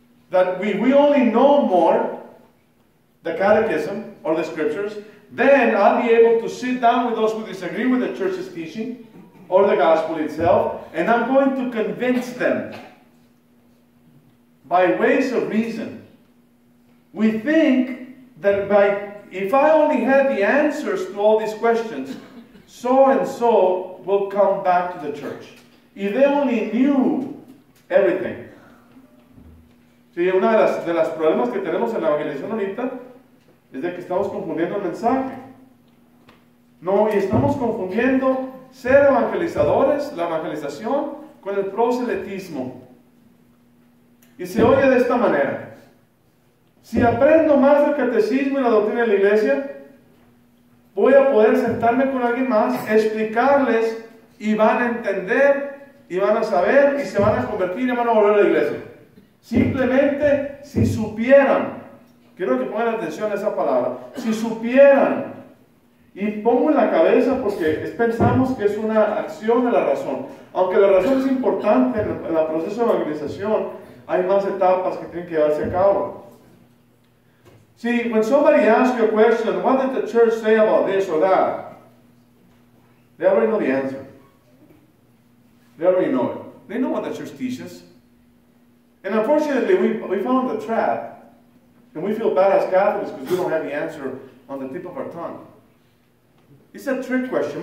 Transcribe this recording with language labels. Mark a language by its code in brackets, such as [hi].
[en] That we only know more the catechism or the scriptures, then I'll be able to sit down with those who disagree with the church's teaching or the gospel itself, and I'm going to convince them by ways of reason. We think that if I only had the answers to all these questions, so and so will come back to the church. If they only knew everything. [es] Sí, una de las problemas que tenemos en la evangelización ahorita es de que estamos confundiendo el mensaje. No, y estamos confundiendo ser evangelizadores, la evangelización, con el proselitismo. Y se oye de esta manera. Si aprendo más del catecismo y la doctrina de la iglesia, voy a poder sentarme con alguien más, explicarles, y van a entender, y van a saber, y se van a convertir, y van a volver a la iglesia. Simplemente, si supieran, quiero que pongan atención a esa palabra, si supieran, y pongo en la cabeza porque pensamos que es una acción de la razón, aunque la razón es importante en el proceso de evangelización, hay más etapas que tienen que llevarse a cabo. [en] See, when somebody asks you a question, what did the church say about this or that? They already know the answer. They already know it. They know what the church teaches. And unfortunately, we found the trap And we feel bad as Catholics because we don't have the answer on the tip of our tongue. It's a trick question.